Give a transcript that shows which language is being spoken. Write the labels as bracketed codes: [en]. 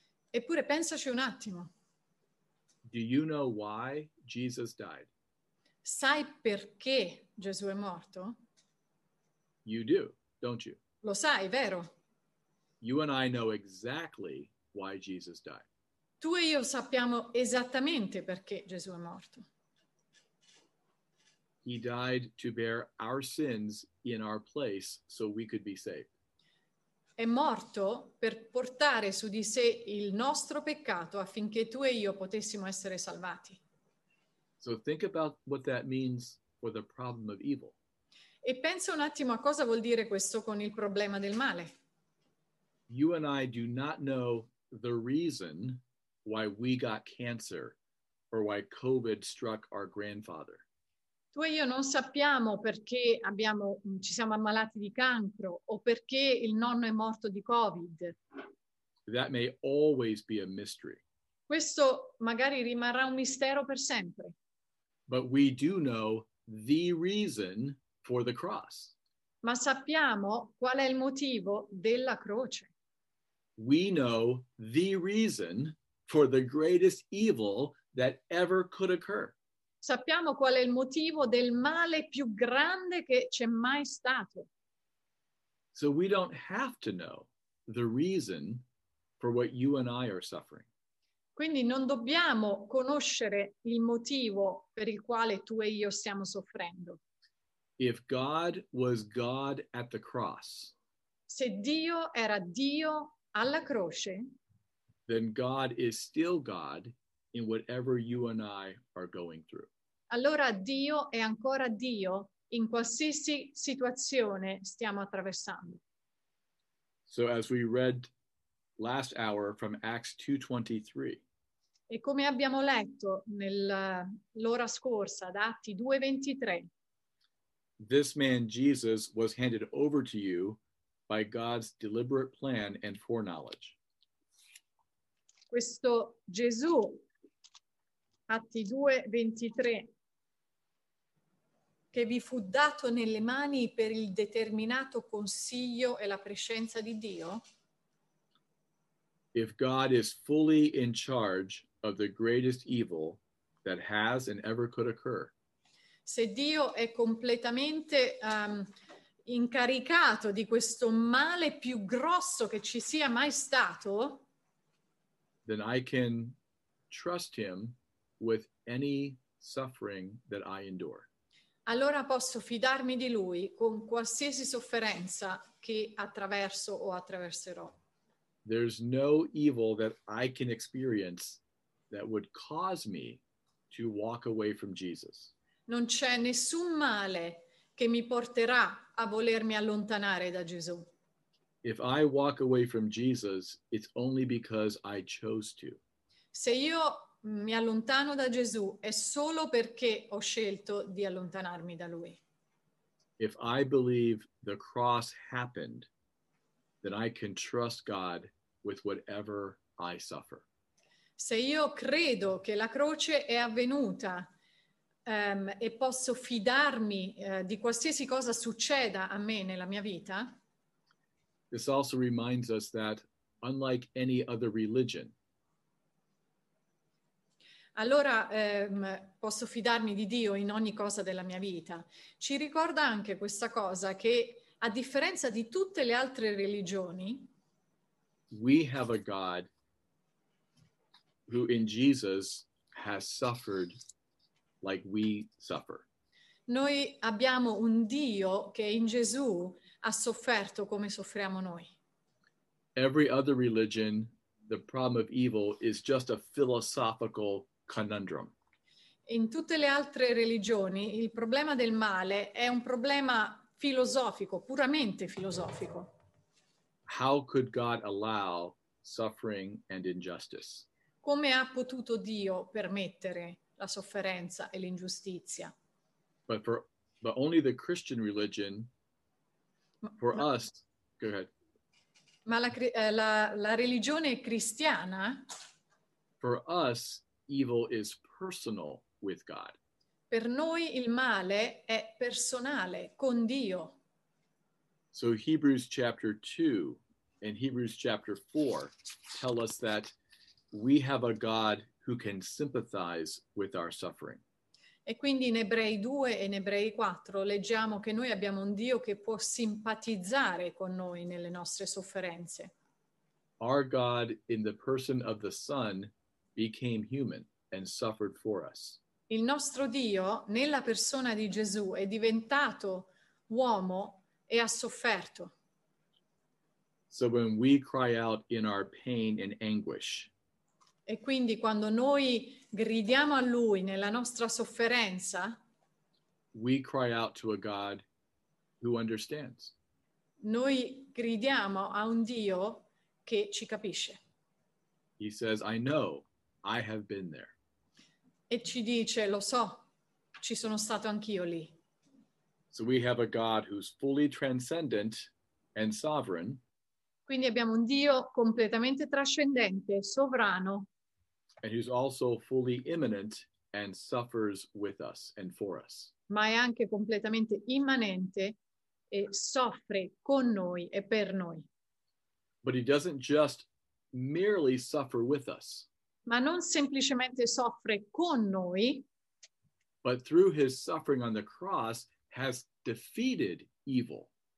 [it] Eppure pensaci un attimo. [en] Do you know why Jesus died? [it] Sai perché Gesù è morto? [en] You do, don't you? [it] Lo sai, vero? [en] You and I know exactly why Jesus died. [it] Tu e io sappiamo esattamente perché Gesù è morto. [en] He died to bear our sins in our place so we could be saved. [it] È morto per portare su di sé il nostro peccato affinché tu e io potessimo essere salvati. [en] So think about what that means for the problem of evil. [it] E pensa un attimo a cosa vuol dire questo con il problema del male. [en] You and I do not know the reason why we got cancer or why COVID struck our grandfather. [it] Tu e io non sappiamo perché ci siamo ammalati di cancro o perché il nonno è morto di COVID. [en] That may always be a mystery. [it] Questo magari rimarrà un mistero per sempre. [en] But we do know the reason for the cross. [it] Ma sappiamo qual è il motivo della croce. [en] We know the reason for the greatest evil that ever could occur. [it] Sappiamo qual è il motivo del male più grande che c'è mai stato. [en] So we don't have to know the reason for what you and I are suffering. [it] Quindi non dobbiamo conoscere il motivo per il quale tu e io stiamo soffrendo. [en] If God was God at the cross, [it] se Dio era Dio alla croce, [en] then God is still God in whatever you and I are going through. [it] Allora Dio è ancora Dio in qualsiasi situazione stiamo attraversando. [en] So as we read last hour from Acts 2:23. [it] E come abbiamo letto nell'ora scorsa da Atti 2:23. [en] This man Jesus was handed over to you by God's deliberate plan and foreknowledge. [it] Questo Gesù, Atti 2:23, che vi fu dato nelle mani per il determinato consiglio e la prescienza di Dio. [en] If God is fully in charge of the greatest evil that has and ever could occur. [it] Se Dio è completamente incaricato di questo male più grosso che ci sia mai stato, [en] then I can trust him with any suffering that I endure. [it] Allora posso fidarmi di lui con qualsiasi sofferenza che attraverso o attraverserò. [en] There's no evil that I can experience that would cause me to walk away from Jesus. [it] Non c'è nessun male che mi porterà a volermi allontanare da Gesù. [en] If I walk away from Jesus, it's only because I chose to. [it] Se io mi allontano da Gesù, è solo perché ho scelto di allontanarmi da lui. [en] If I believe the cross happened, then I can trust God with whatever I suffer. [it] Se io credo che la croce è avvenuta, e posso fidarmi di qualsiasi cosa succeda a me nella mia vita. [en] This also reminds us that, unlike any other religion, [it] allora posso fidarmi di Dio in ogni cosa della mia vita. Ci ricorda anche questa cosa che, a differenza di tutte le altre religioni, [en] we have a God who in Jesus has suffered like we suffer. [it] Noi abbiamo un Dio che in Gesù ha sofferto come soffriamo noi. [en] Every other religion, the problem of evil is just a philosophical conundrum. [it] In tutte le altre religioni, il problema del male è un problema filosofico, puramente filosofico. [en] How could God allow suffering and injustice? [it] Come ha potuto Dio permettere la sofferenza e l'ingiustizia? [en] But only the Christian religion, for us, go ahead. [it] Ma la religione cristiana? [en] For us, evil is personal with God. [it] Per noi il male è personale con Dio. [en] So Hebrews chapter 2 and Hebrews chapter 4 tell us that we have a God who can sympathize with our suffering. [it] E quindi in Ebrei 2 e in Ebrei 4 leggiamo che noi abbiamo un Dio che può simpatizzare con noi nelle nostre sofferenze. [en] Our God in the person of the Son became human and suffered for us. [it] Il nostro Dio, nella persona di Gesù, è diventato uomo e ha sofferto. [en] So when we cry out in our pain and anguish, [it] e quindi quando noi gridiamo a Lui nella nostra sofferenza, [en] we cry out to a God who understands. [it] Noi gridiamo a un Dio che ci capisce. [en] He says, I know, I have been there. [it] E ci dice, lo so, ci sono stato anch'io lì. [en] So we have a God who's fully transcendent and sovereign. [it] Quindi abbiamo un Dio completamente trascendente, sovrano. [en] And who's also fully immanent and suffers with us and for us. [it] Ma è anche completamente immanente e soffre con noi e per noi. [en] But he doesn't just merely suffer with us. [it] ma non semplicemente soffre con noi, [en] but through his suffering on the cross has defeated evil.